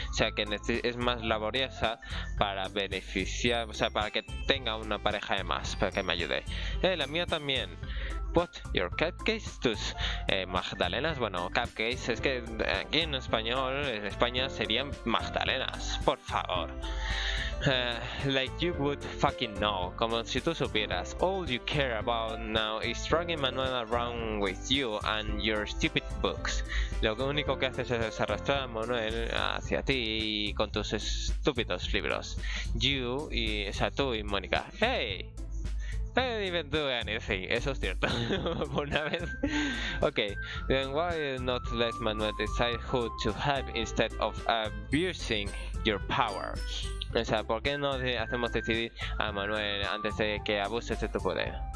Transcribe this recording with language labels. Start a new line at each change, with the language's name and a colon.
Spanish: O sea, que es más laboriosa para beneficiar, o sea, para que tenga una pareja de más, para que me ayude. La mía también.
English: What? Your cupcakes?
Spanish: Tus magdalenas? Bueno, cupcakes, es que aquí en español, en España, serían magdalenas, por favor.
English: Like you would fucking know,
Spanish: como si tú supieras.
English: All you care about now is dragging Manuel around with you and your stupid books.
Spanish: Lo único que haces es arrastrar a Manuel hacia ti y con tus estúpidos libros. You y, o sea, tú y Mónica.
English: Hey! I didn't even do anything,
Spanish: eso es cierto, por una vez.
English: Ok, then why not let Manuel decide who to help instead of abusing your power?
Spanish: O sea, ¿por qué no hacemos decidir a Manuel antes de que abuses de tu poder?